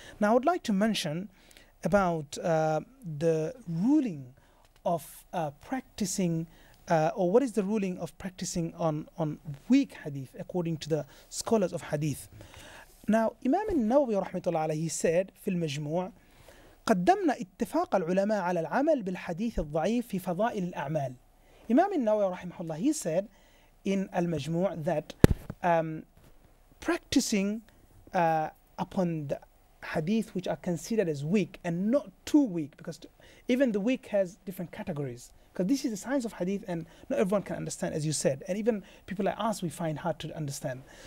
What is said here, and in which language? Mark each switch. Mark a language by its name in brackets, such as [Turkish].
[English] Now, I would like to mention about the ruling of practicing, or what is the ruling of practicing on weak hadith according to the scholars of hadith. Now, Imam al-Nawawi rahmatullah alayhi said, [Arabic] في المجموع, قدمنا اتفاق العلماء على العمل بالحديث الضعيف في فضائل الأعمال. [English] Imam al-Nawawi rahimahullah, he said in Al-Majmu' that practicing upon the hadith which are considered as weak and not too weak, because even the weak has different categories, because this is the science of hadith and not everyone can understand, as you said, and even people like us, we find hard to understand.